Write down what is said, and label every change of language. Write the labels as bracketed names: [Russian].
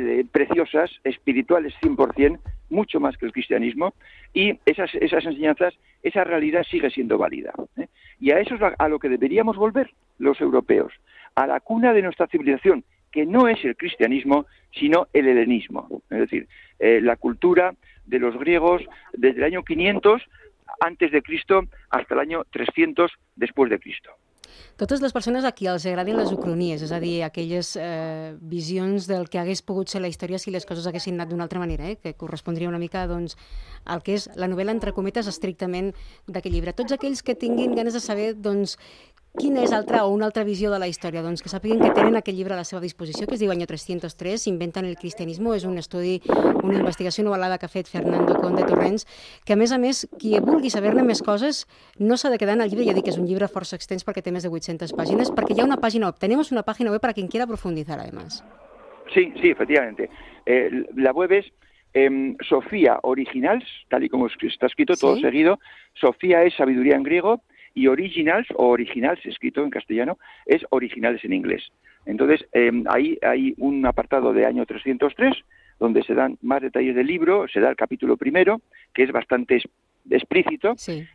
[Spanish] preciosas, espirituales 100%, mucho más que el cristianismo, y esas enseñanzas, esa realidad sigue siendo válida, ¿eh? Y a eso es a lo que deberíamos volver los europeos, a la cuna de nuestra civilización, que no es el cristianismo, sino el helenismo, es decir, la cultura de los griegos desde el año 500 antes de Cristo hasta el año 300 después de Cristo. [Catalan] Totes les persones a qui els agradin les ucronies, és a dir, aquelles visions del que hagués pogut ser la història si les coses haguessin anat d'una altra manera, que correspondria una mica doncs, al que és la novel·la, entre cometes, estrictament d'aquest llibre. Tots aquells que tinguin ganes de saber doncs, quina és altra o una altra visió de la història, doncs, que sàpiguen que tenen aquest llibre a la seva disposició, que es diu Año 303, Inventan el cristianismo, és un estudi, una investigació novel·lada que ha fet Fernando Conde Torrents, que a més, qui vulgui saber-ne més coses, no s'ha de quedar en el llibre, ja dic que és un llibre força extens perquè té més de 800 pàgines, perquè hi ha una pàgina web, tenemos una pàgina web per a qui quiera profunditzar, a més. Sí, sí, efectivament. La web és Sofía Originals, tal com està escrit, tot ¿sí? [Spanish] seguido. Sofía és sabiduría en griego, y Originals, o Originals, escrito en castellano, es Originales en inglés. Entonces, ahí hay un apartado de Año 303, donde se dan más detalles del libro, se da el capítulo primero, que es bastante explícito, sí.